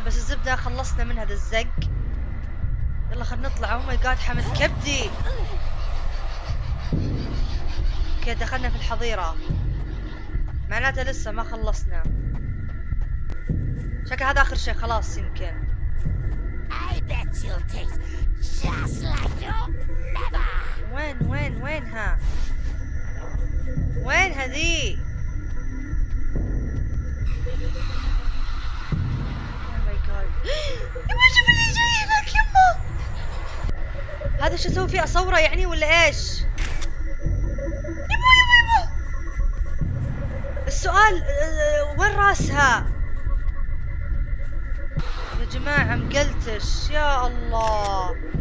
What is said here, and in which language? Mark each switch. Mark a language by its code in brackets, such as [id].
[ar] بس الزبدة خلصنا من هذا الزق. يلا خلنا نطلع. [en] oh my god [ar] حمل كبدي. اوكي دخلنا في الحظيرة معناته لسه ما خلصنا. شكل هذا اخر شيء خلاص يمكن. [en] I bet you'll taste just like your mother. [ar] وين وين وينها؟ وين هذي؟ [en] Oh my god. [ar] يبا شوف اللي جاي هناك يما. هذا شو اسوي فيه اصوره يعني ولا ايش؟ السؤال وين راسها يا جماعة؟ مقلتش يا الله.